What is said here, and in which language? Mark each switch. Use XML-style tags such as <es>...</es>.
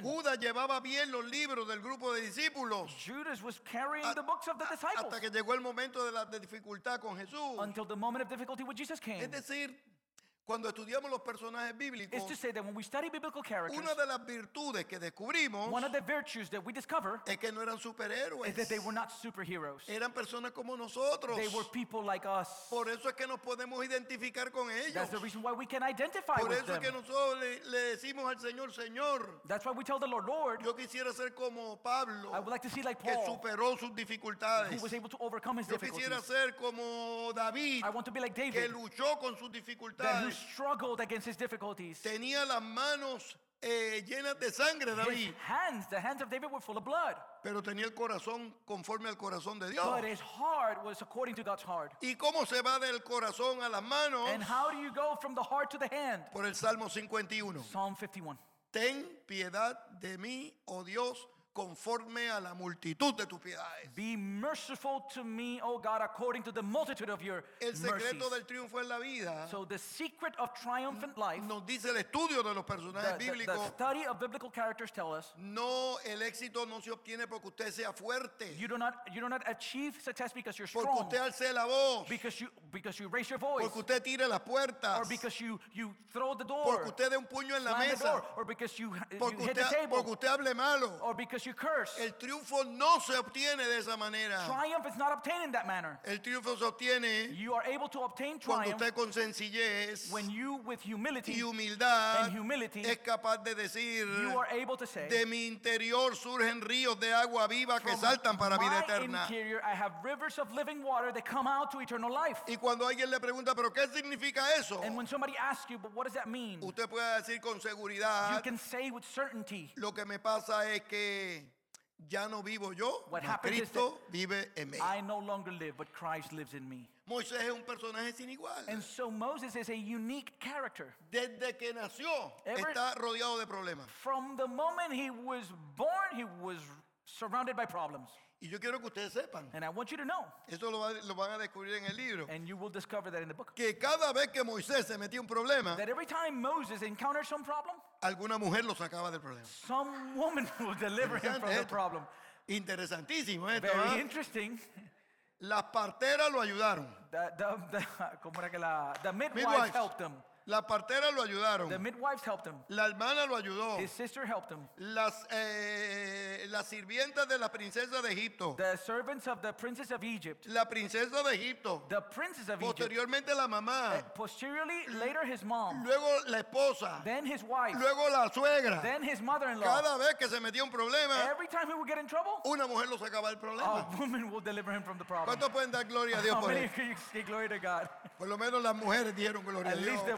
<es>Judas llevaba bien los libros del grupo de discípulos.</es> <en>Judas was carrying the books of the disciples.</en> <es>Hasta que llegó el momento de la dificultad con Jesús.</es> <en>Until the moment of difficulty with Jesus came.</en> <es>Es decir, cuando estudiamos los personajes bíblicos,</es> <en>it's to say that when we study biblical characters,</en> <es>una de las virtudes que descubrimos,</es> <en>one of the virtues that we discover,</en> <es>es que no eran superhéroes,</es> <en>is that they were not superheroes.</en> <es>Eran personas como nosotros.</es> <en>They were people like us.</en> <es>Por eso es que nos podemos identificar con ellos.</es> <en>That's the reason why we can identify with them.</en> <es>Por eso es que nosotros le decimos al Señor, Señor.</es> <en>That's why we tell the Lord, Lord.</en> <es>Yo quisiera ser como Pablo,</es> <en>I would like to see like Paul,</en> <es>que superó sus dificultades,</es> <en>who was able to overcome his difficulties.</en> <es>Yo quisiera ser como David,</es> <en>I want to be like David,</en> <es>que luchó con sus dificultades.</es> <en>Struggled against his difficulties.</en> <es>Tenía las manos llenas de sangre, David.</es> <en>His hands, the hands of David, were full of blood.</en> <es>Pero tenía el corazón conforme al corazón de Dios.</es> <en>But his heart was according to God's heart.</en> <es>¿Y cómo se va del corazón a las manos?</es> <en>And how do you go from the heart to the hand?</en> <es>Por el Salmo 51.</es> <en>Psalm 51.</en> <es>Ten piedad de mí, oh Dios, conforme a la multitud de tus piedades.</es> <en>Be merciful to me, O God, according to the multitude of your mercies.</en> <es>El secreto del triunfo en la vida.</es> <en>So the secret of triumphant life.</en> <es>Nos dice el estudio de los personajes bíblicos.</es> <en>The study of biblical characters tell us.</en> <es>No, el éxito no se obtiene porque usted sea fuerte.</es> <en>You do not achieve success because you're strong.</en> <es>Porque usted alce la voz.</es> <en>Because you raise your voice.</en> <es>Porque usted tire las puertas.</es> <en>Or because you throw the door.</en> <es>Porque usted dé un puño en la mesa.</es> <en>The door. Or because you hit the table.</en> <es>Porque usted hable malo.</es> <en>Or because you curse.</en> <es>El triunfo no se obtiene de esa manera.</es> <en>Triumph is not obtained in that manner.</en> <es>El triunfo se obtiene.</es> <en>You are able to obtain triumph.</en> <es>Cuando usted con sencillez.</es> <en>When you with humility.</en> <es>Y humildad.</es> <en>And humility.</en> <es>Es capaz de decir.</es> <en>You are able to say.</en> <es>De mi interior surgen ríos de agua viva que saltan para vida eterna.</es> <en>From my interior I have rivers of living water that come out to eternal life.</en> <es>Y cuando alguien le pregunta, pero ¿qué significa eso?</es> <en>And when somebody asks you, but what does that mean?</en> <es>Usted puede decir con seguridad.</es> <en>You can say with certainty.</en> <es>Lo que me pasa es que ya no vivo yo, Cristo vive en mí.</es> <en>I no longer live, but Christ lives in me.</en> <es>Moisés es un personaje sin igual.</es> <en>And so Moses is a unique character.</en> <es>Desde que nació, está rodeado de problemas.</es> <en>From the moment he was born, he was surrounded by problems.</en> <es>Y yo quiero que ustedes sepan.</es> <en>And I want you to know.</en> <es>Esto lo van a descubrir en el libro.</es> <en>And you will discover that in the book.</en> <es>Que cada vez que Moisés se metía un problema,</es> <en>that every time Moses encountered some problem,</en> <es>alguna mujer lo sacaba del problema.</es> <en>Some woman would deliver him from the problem.</en> <es>Interesantísimo esto.</es> <en>Very</en> <es>¿verdad?</es> <en>Interesting.</en> <es>Las parteras lo ayudaron.</es> <en>The midwives helped him.</en> <es>La partera lo ayudaron.</es> <en>The midwives helped him.</en> <es>La hermana lo ayudó.</es> <en>His sister helped him.</en> <es>Las sirvientas de la princesa de Egipto.</es> <en>The servants of the princess of Egypt.</en> <es>La princesa de Egipto.</es> <en>The princess of</en> <es>Posteriormente</es> <en>Egypt.</en> <es>La mamá.</es> <en>Posteriorly, later his mom.</en> <es>Luego la esposa.</es> <en>Then his wife.</en> <es>Luego la suegra.</es> <en>Then his mother-in-law.</en> <es>Cada vez que se metía un problema.</es> <en>Every time he would get in trouble.</en> <es>Una mujer lo sacaba del problema.</es> <en>A woman will deliver him from the problem.</en> <es>¿Cuántos pueden dar gloria a Dios por eso?</es> <en>How many can give glory to God?</en> <es>Por lo menos las mujeres dieron gloria a Dios.</es>